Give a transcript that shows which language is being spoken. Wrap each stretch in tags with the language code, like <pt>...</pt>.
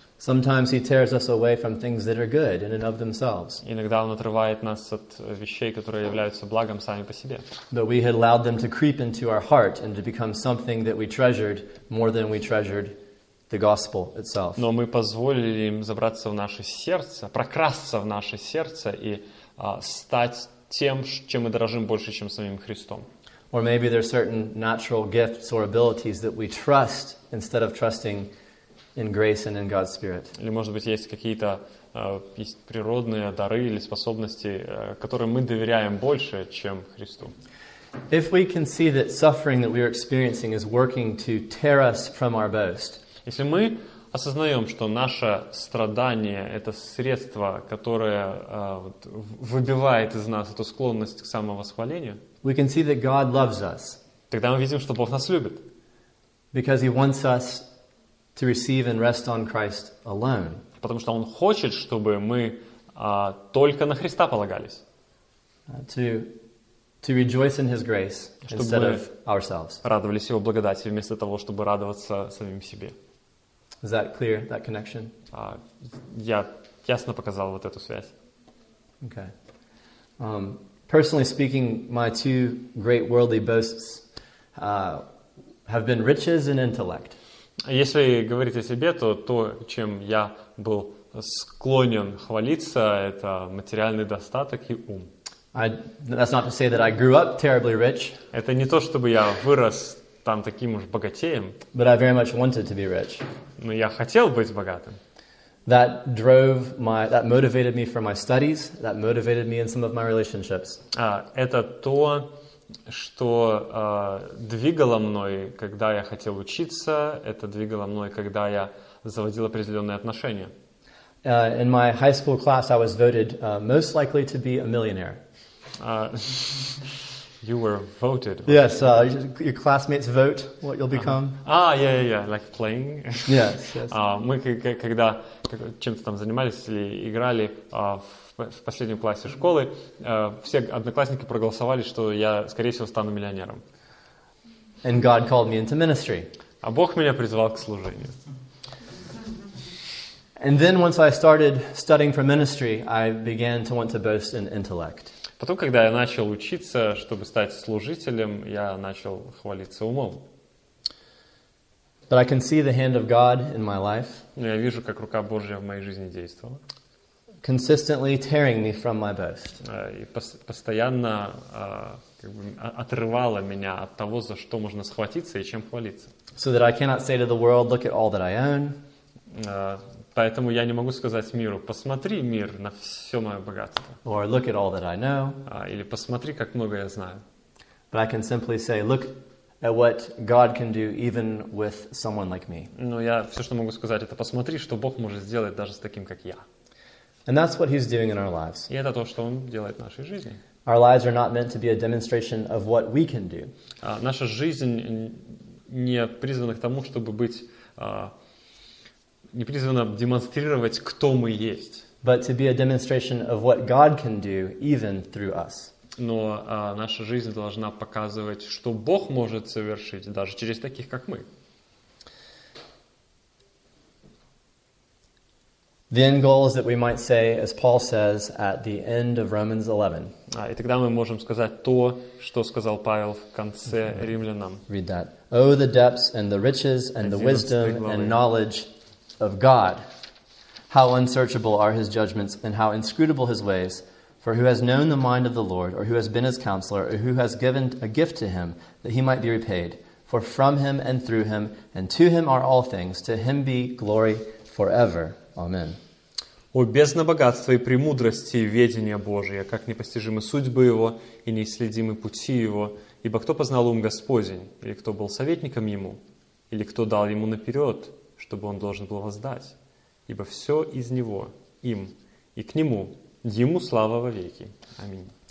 <en>Sometimes he tears us away from things that are good in and of themselves.</en> <ru>Иногда он отрывает нас от вещей, которые являются благом сами по себе.</ru> <en>But we had allowed them to creep into our heart and to become something that we treasured more than we treasured the gospel itself.</en> <ru>Но мы позволили им забраться в наше сердце, прокрасться в наше сердце и стать тем, чем мы дорожим больше, чем самим Христом.</ru> <en>Or maybe there are certain natural gifts or abilities that we trust instead of trusting in grace and in God's Spirit.</en> <ru>Или, может быть, есть какие-то природные дары или способности, которым мы доверяем больше, чем Христу.</ru> <en>If we can see that suffering that we are experiencing is working to tear us from our boast.</en> <ru>Если мы осознаем, что наше страдание — это средство, которое выбивает из нас эту склонность к самовосхвалению,</ru> <en>we can see that God loves us.</en> <ru>Тогда мы видим, что Бог нас любит.</ru> <en>Because he wants us to receive and rest on Christ alone.</en> <ru>Потому что он хочет, чтобы мы только на Христа полагались.</ru> <en>To rejoice in his grace instead of ourselves.</en> <ru>Чтобы радовались его благодати вместо того, чтобы радоваться самим себе.</ru> <en>Is that clear, that connection?</en> <ru>Я ясно показал вот эту связь.</ru> <en>Okay. Personally speaking, my two great worldly boasts have been riches and intellect.</en> <ru>Если говорить о себе, то, чем я был склонен хвалиться, это материальный достаток и ум.</ru> <en>That's not to say that I grew up terribly rich.</en> <ru>Это не то, чтобы я вырос там таким уж богатеем.</ru> <en>But I very much wanted to be rich.</en> <ru>Но я хотел быть богатым.</ru> <en>That motivated me for my studies. That motivated me in some of my relationships.</en> <ru>Это то, что двигало мной, когда я хотел учиться. Это двигало мной, когда я заводил определенные отношения.</ru> <en>In my high school class, I was voted most likely to be a millionaire. You were voted. Yes, your classmates vote what you'll become. Yeah. Like playing. Yes.</en> <ru>Мы когда чем-то там занимались или играли в последнем классе школы, все одноклассники проголосовали, что я, скорее всего, стану миллионером.</ru> <en>And God called me into ministry.</en> <ru>А Бог меня призвал к служению.</ru> <en>And then once I started studying for ministry, I began to want to boast in intellect.</en> <ru>Потом, когда я начал учиться, чтобы стать служителем, я начал хвалиться умом.</ru> <en>But I can see the hand of God in my life.</en> <ru>Но я вижу, как рука Божья в моей жизни действовала.</ru> <en>Consistently tearing me from my boast.</en> <ru>И постоянно как бы отрывала меня от того, за что можно схватиться и чем хвалиться.</ru> <en>So that I cannot say to the world, look at all that I own.</en> <ru>Поэтому я не могу сказать миру, посмотри, мир, на все мое богатство.</ru> <en>Or look at all that I know.</en> <ru>Или посмотри, как много я знаю.</ru> <en>But I can simply say, look at what God can do even with someone like me.</en> <ru>Но я все, что могу сказать, это посмотри, что Бог может сделать даже с таким, как я.</ru> <en>And that's what he's doing in our lives.</en> <ru>И это то, что он делает в нашей жизни.</ru> <en>Our lives are not meant to be a demonstration of what we can do.</en> <ru>Наша жизнь не призвана к тому, чтобы быть... не призвано демонстрировать, кто мы есть.</ru> <en>But to be a demonstration of what God can do even through us.</en> <ru>Но наша жизнь должна показывать, что Бог может совершить даже через таких, как мы.</ru> <en>The end goal is that we might say, as Paul says at the end of Romans 11.</en> <ru>И тогда мы можем сказать то, что сказал Павел в конце Римлянам.</ru> <en>Read that. Oh, the depths and the riches and the wisdom and knowledge of God, how unsearchable are his judgments and how inscrutable his ways. For who has known the mind of the Lord, or who has been his counselor, or who has given a gift to him that he might be repaid? For from him and through him and to him are all things, to him be glory forever. Amen.</en> <ru>О, бездна богатства и премудрости и ведения Божия, как непостижимы судьбы его и неисследимы пути его. Ибо кто познал ум Господень, или кто был советником ему, или кто дал ему наперед, чтобы он должен был воздать, ибо все из него, им и к нему, ему слава во веки. Аминь.</ru>